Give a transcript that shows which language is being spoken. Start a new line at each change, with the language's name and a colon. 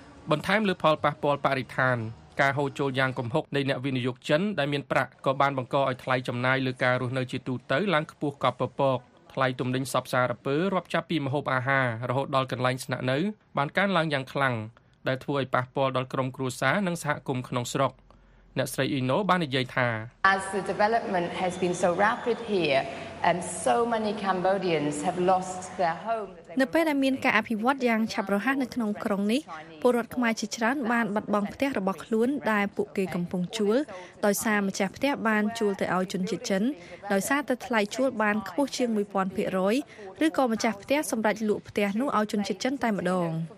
Khmer: បន្ថែមលើផលប៉ះពាល់បរិស្ថានការហូរចូលយ៉ាងគំហុកនៃអ្នកវិនិយោគចិនដែលមានប្រាក់ក៏បានបង្កឲ្យថ្លៃចំណាយលើការរស់នៅជាទូទៅឡើងខ្ពស់កប់ពពកថ្លៃទំនិញសពសារពើរាប់ចាប់ពីម្ហូបអាហាររហូតដល់កន្លែងស្នាក់នៅបានកើនឡើងយ៉ាងខ្លាំងដែលធ្វើឲ្យប៉ះពាល់ដល់ក្រុមគ្រួសារនិងសហគមន៍ក្នុងស្រុកអ្នកស្រីអ៊ីណូបាននិយាយថា
English: As the development has been so rapid here and so many Cambodians have lost their home
Khmer: នៅពេលដែលមានការអភិវឌ្ឍយ៉ាងឆាប់រហ័សនៅក្នុងក្រុងនេះពលរដ្ឋខ្មែរជាច្រើនបានបាត់បង់ផ្ទះរបស់ខ្លួនដែលពួកគេកំពុងជួលដោយសារម្ចាស់ផ្ទះបានជួលទៅឲ្យជនជាតិចិនដោយសារតែថ្លៃជួលបានខ្ពស់ជាង 1,000% ឬក៏ម្ចាស់ផ្ទះសម្រេចលក់ផ្ទះនោះឲ្យជនជាតិចិនតែម្ដង